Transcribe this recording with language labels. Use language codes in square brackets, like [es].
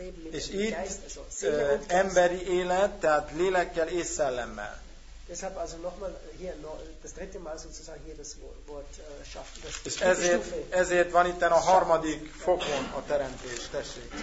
[hu] És itt emberi élet, tehát lélekkel és szellemmel. [de] Deshalb also nochmal hier das dritte Mal sozusagen hier das Wort schafft. [hu] És ezért van itt a harmadik fokon a teremtés, tessék.